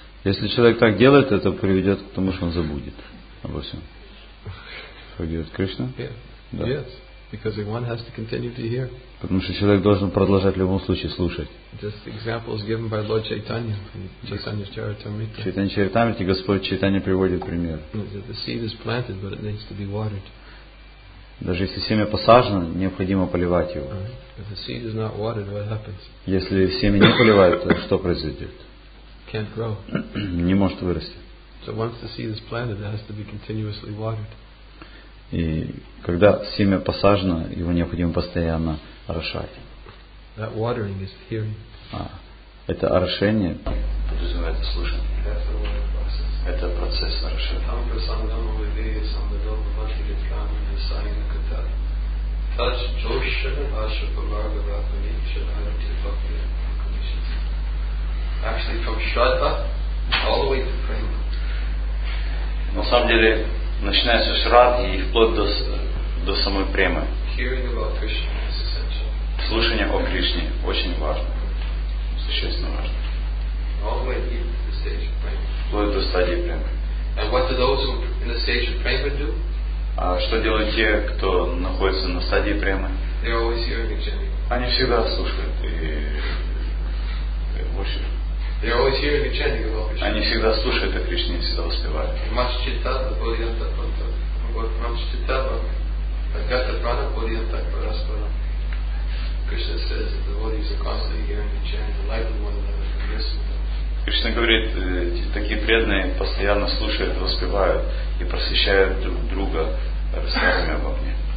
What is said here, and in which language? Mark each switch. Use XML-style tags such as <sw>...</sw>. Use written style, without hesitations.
<ru>Если человек так делает, это приведет к тому, что он забудет обо всем.</ru> <en>Forget Krishna? Yeah. Yes, because one has to continue to hear.</en> <ru>Потому что человек должен продолжать в любом случае слушать.</ru> <en>Just examples given by Lord Chaitanya from Chaitanya Charitamrita.</en> <ru>Chaitanya Charitamrita, Господь Чайтанья приводит пример.</ru> <en>The seed is planted, but it needs to be watered.</en> <ru>Даже если семя посажено, необходимо поливать его.</ru> <en>If the seed is not watered, what happens?</en> <ru>Если семя не поливают, то что произойдет?</ru> <en>Can't grow.</en> <ru>Не может вырасти.</ru> <en>So once the seed is planted, it has to be continuously watered.</en> <ru>И когда семя посажено, его необходимо постоянно орошать.</ru> <en>That watering is hearing.</en> <ru>Это орошение. Подразумевает слушание. Это процесс орошения.</ru> <en>Actually, from Shraddha all the way to Prema.</en> <ru>На самом деле, начиная со Шрадхи и вплоть до самой Премы.</ru> <en>Hearing about Krishna is essential.</en> <ru>Слушание о Кришне очень важно. Существенно важно.</ru> <en>All the way to the stage of Prema.</en> <ru>Вплоть до стадии Премы.</ru> <en>And what do those who in the stage of Prema do?</en> <ru>А что делают те, кто находится на стадии Премы?</ru> <en>They're always hearing and chanting.</en> <ru>Они всегда слушают и очень.</ru> <en>They're always hearing and chanting about Krishna.</en> <ru>Они всегда слушают о Кришне, всегда воспевают.</ru> <sa>Much chitta, the bodhiyanta pranta. Much chitta, agata prana, bodhiyanta paraspara.</sa> <en>Krishna says that the bodies are constantly hearing and chanting, the light of one another, the rest of them.</en> <ru>Кришна говорит, такие преданные постоянно слушают, воспевают и просвещают друг друга рассказами обо мне.</ru>